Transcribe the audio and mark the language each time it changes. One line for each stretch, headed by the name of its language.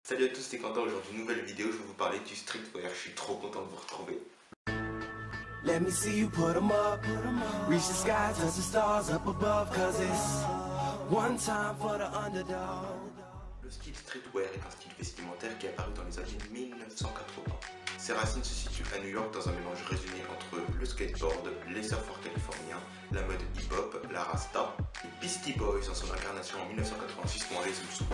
French: Salut à tous, c'est Quentin. Aujourd'hui, nouvelle vidéo, je vais vous parler du streetwear. Je suis trop content de vous retrouver.
English: Let me see you put 'em up, reach the sky, touch the stars up above, 'cause it's one time for the underdog.
French: Le style streetwear est un style vestimentaire qui est apparu dans les années 1980. Ses racines se situent à New York dans un mélange résumé entre le skateboard, les surfeurs californiens, la mode hip-hop, la rasta, les Beastie Boys en son incarnation en 1986 pour un résumé.